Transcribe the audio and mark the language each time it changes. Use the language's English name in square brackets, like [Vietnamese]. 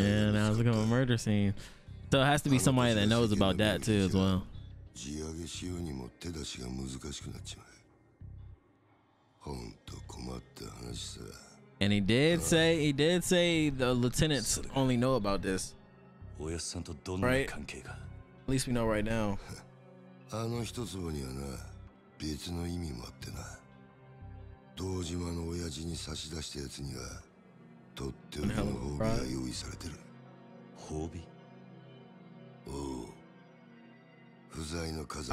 [English] Yeah, that was like a murder scene. So it has to be somebody that knows about that too as well. [Japanese] 地上げしようにも手出しが難しくなっちまう。本当困った話さ。 [English] And he did say the lieutenants only know about this. Right? At least we know right now. [Japanese] あの一つぼにはな、別の意味もあってな。道島の親父に差し出したやつには、とっておきの褒美が用意されてる。褒美？おう。不在の風